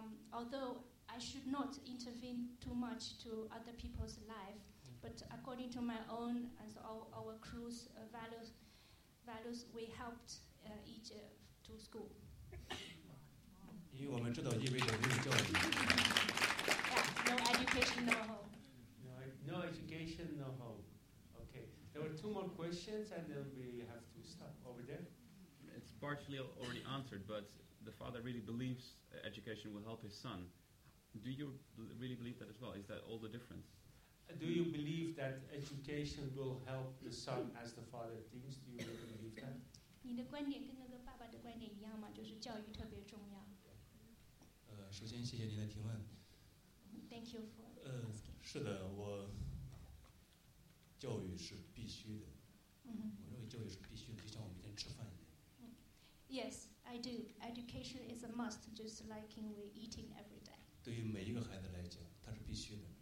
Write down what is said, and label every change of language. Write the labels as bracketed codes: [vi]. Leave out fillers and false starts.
[en] Although I should not intervene too much to other people's life, but according to my own and so our crew's values, we helped each to school. [zh] 因为我们知道意味着没有教育。 [en] No education, no home. No education, no home. Okay. There were two more questions, and then we have to stop over there. It's partially already answered, but the father really believes education will help his son. Do you really believe that as well? Is that all the difference? Do you believe that education will help the son as the father thinks? Do you really believe that? [zh] 你的观点跟那个爸爸的观点一样吗？就是教育特别重要。首先谢谢您的提问。 [en] Thank you for. [zh] 是的，我教育是必须的。我认为教育是必须的，就像我每天吃饭一样。 [en] Yes, I do. Education is a must, just like we're eating every day. [zh] 对于每一个孩子来讲，它是必须的。